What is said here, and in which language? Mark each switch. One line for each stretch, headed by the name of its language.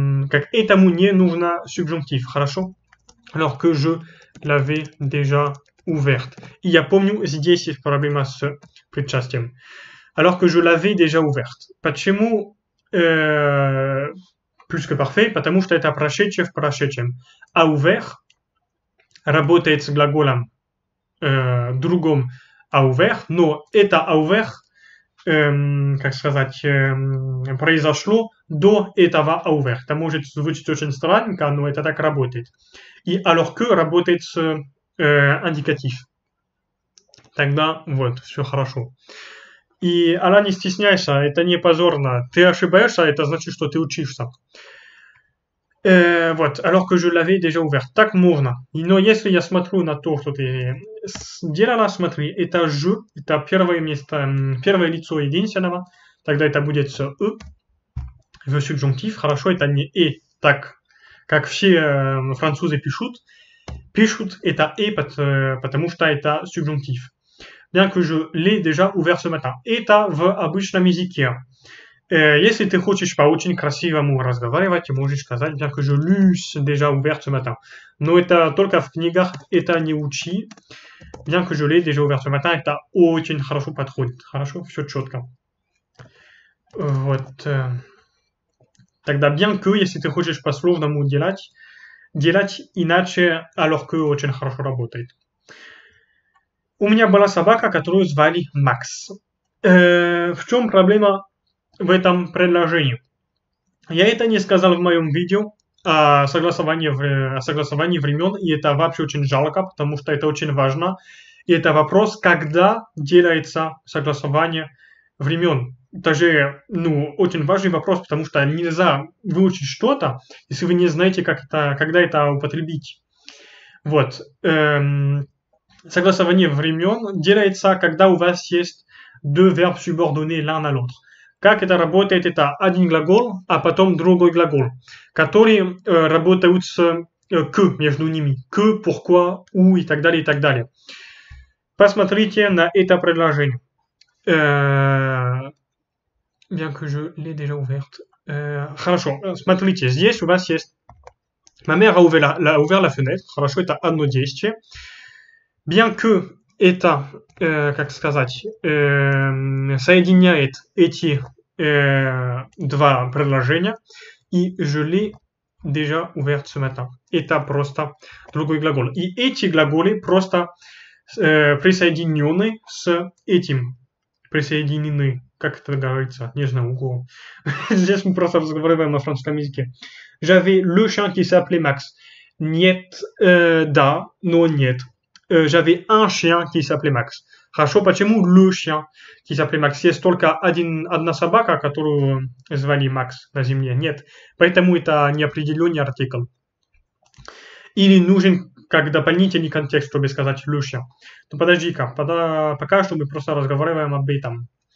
Russian: как этому не нужно субъюнктив, хорошо?
French: Alors que je l'avais déjà ouverte.
Russian: И я помню, здесь есть проблема с причастием.
French: Alors que je l'avais déjà ouverte.
Russian: Почему... plus que parfait, потому что это прошедшее в прошедшем.
French: А ouvert...
Russian: работает с глаголом другом «а ouvert», но это «а ouvert», как сказать, произошло до этого «а ouvert». Это может звучать очень странненько, но это так работает. И «alors que» работает с индикатив. Тогда вот, все хорошо. И она не стесняется, это не позорно. Ты ошибаешься, это значит, что ты учишься.
French: Вот, alors que je l'avais déjà ouvert.
Russian: Так можно. Но если я смотрю на то, что ты сделала, смотри, это «je», это первое место, первое лицо единственного. Тогда это будет «e», в субъектив. Хорошо, это не «e», так как все французы пишут. Пишут это «e», потому что это субъектив.
French: Bien que je l'ai déjà ouvert ce matin.
Russian: Это в обычном языке. Если ты хочешь по очень красивому разговаривать, можешь сказать,
French: bien que je l'eusse déjà ouvert ce matin.
Russian: Но это только в книгах, это не учи.
French: Bien que je l'ai déjà ouvert ce matin,
Russian: это очень хорошо подходит. Хорошо? Все четко. Вот. Тогда bien que, если ты хочешь по-сложному делать, делать иначе, alors que очень хорошо работает. У меня была собака, которую звали Макс. В чем проблема в этом предложении? Я это не сказал в моем видео о согласовании времен, и это вообще очень жалко, потому что это очень важно. И это вопрос, когда делается согласование времен. Также, ну, очень важный вопрос, потому что нельзя выучить что-то, если вы не знаете, как это, когда это употребить. Вот. Согласование времен делается, когда у вас есть
French: deux verbes subordonnés l'un à l'autre.
Russian: Как это работает? Это один глагол, а потом другой глагол, которые работают с «que» между ними. «Que», «pourquoi», «où» и так далее, и так далее. Посмотрите на это предложение.
French: Bien que je l'ai déjà ouverte.
Russian: Хорошо, смотрите, здесь у вас есть
French: «Ma mère a ouvert la fenêtre».
Russian: Хорошо, это одно действие. Bien que это, как сказать, соединяет эти два предложения, и
French: je l'ai déjà ouvert ce matin.
Russian: Это просто другой глагол. И эти глаголи просто присоединены с этим. Присоединены, как это говорится, нежно угол. Здесь мы просто разговариваем на французском языке.
French: J'avais le chien qui s'appelait Max.
Russian: Нет, да, но нет.
French: J'avais un chien qui s'appelait Max.
Russian: Хорошо, почему
French: le chien qui s'appelait Max?
Russian: Есть только одна собака, которую звали Макс на земле. Нет. Поэтому это неопределенный артикль. Или нужен как дополнительный контекст, чтобы сказать le chien. Ну, подожди-ка, пока что мы просто разговариваем об этом.